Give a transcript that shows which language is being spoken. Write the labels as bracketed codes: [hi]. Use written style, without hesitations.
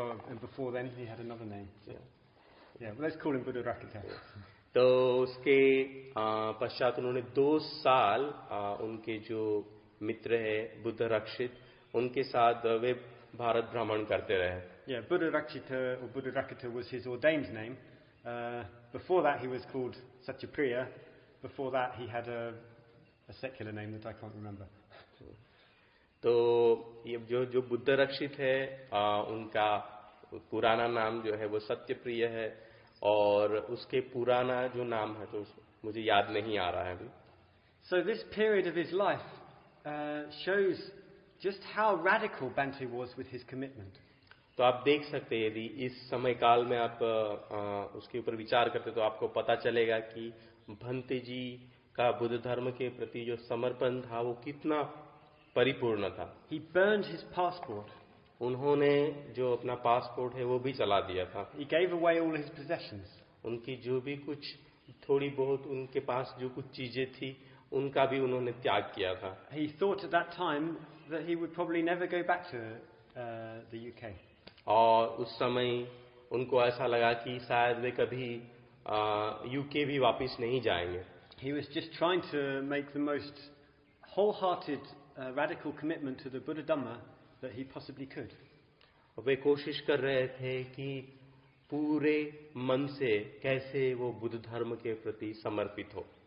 [en] And before then he had another name. Let's call him Buddha Rakata. [hi] तो उसके पश्चात उन्होंने 2 साल उनके जो मित्र है बुद्ध रक्षित उनके साथ वे भारत भ्रमण करते रहे। [en] Yeah, Buddha Rakshita or Buddha Rakata was his ordained name. Before that he was called Satyapriya. Before that he had a secular name that I can't remember. [hi] तो ये जो जो बुद्ध रक्षित है उनका पुराना नाम जो है वो सत्यप्रिय है, और उसके पुराना जो नाम है तो मुझे याद नहीं आ रहा है अभी. [en] So this period of his life shows just how radical Bhante was with his commitment. [hi] तो आप देख सकते हैं यदि इस समय काल में आप उसके ऊपर विचार करते तो आपको पता चलेगा कि भंते जी का बुद्ध धर्म के प्रति जो समर्पण था वो कितना परिपूर्ण था. [en] He burned his passport. [hi] उन्होंने जो अपना पासपोर्ट है वो भी चला दिया था. [en] He gave away all his possessions. [hi] उनकी जो भी कुछ थोड़ी बहुत उनके पास जो कुछ चीजें थी उनका भी उन्होंने त्याग किया था. [en] He thought at that time that he would probably never go back to the UK. [hi] और उस समय उनको ऐसा लगा कि शायद वे कभी यूके भी वापस नहीं जाएंगे. [en] He was just trying to make the most wholehearted radical commitment to the Buddha Dhamma that he possibly could. [hi] वे कोशिश कर रहे थे कि पूरे मन से कैसे वो बुद्ध धर्म के प्रति समर्पित हो.